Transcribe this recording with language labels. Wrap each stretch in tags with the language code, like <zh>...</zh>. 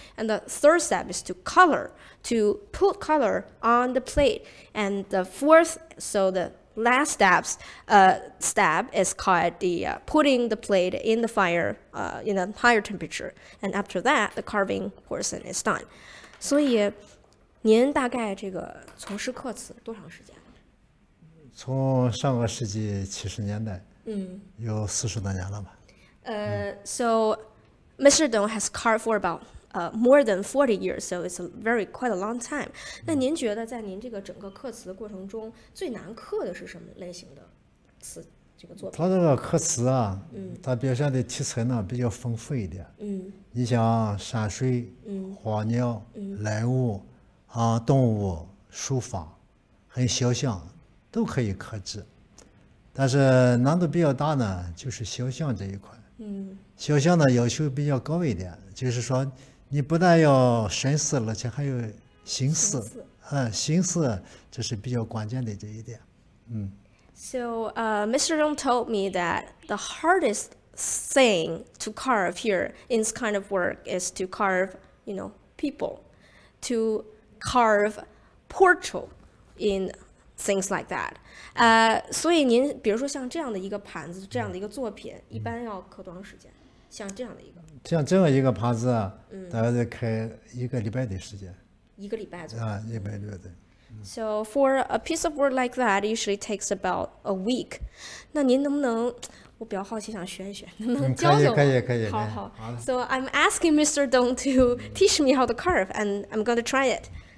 <en>And the third step is to color, to put color on the plate. And the fourth, so the last steps, step is called the putting the plate in the fire in a higher temperature. And after that, the carving portion is done.</en> <zh>所以您大概这个从事刻瓷多长时间？从上个世纪70年代，有40多年了吧。</zh> <en>So Mr. Dong has carved for about more than 40 years, so it's quite a long time.</en> <zh>那您觉得在您这个整个刻瓷的过程中，最难刻的是什么类型的瓷这个作品？它这个刻瓷啊，它表现的题材呢比较丰富一点。你像山水、花鸟、人物、动物、书法、很肖像，都可以刻制。但是难度比较大呢，就是肖像这一块。肖像呢要求比较高一点，就是说，你不但要神思，而且还有形思，形思这是比较关键的这一点。</zh> <en>So, Mr. Dong told me that the hardest thing to carve here in this kind of work is to carve, you know, people, to carve portrait in things like that.</en> <zh>所以您比如说像这样的一个盘子，这样的一个作品，一般要刻多长时间？像这样的一个。像这样一个盘子，大概得开一个礼拜的时间。一个礼拜左右。一个礼拜左右。</zh> <en>So for a piece of work like that, usually takes about a week.</en> <zh>那您能不能，我比较好奇想学一学，能不能教教我？可以可以。好好。</zh> <en>So I'm asking Mr. Dong to teach me how to carve, and I'm going to try it.</en>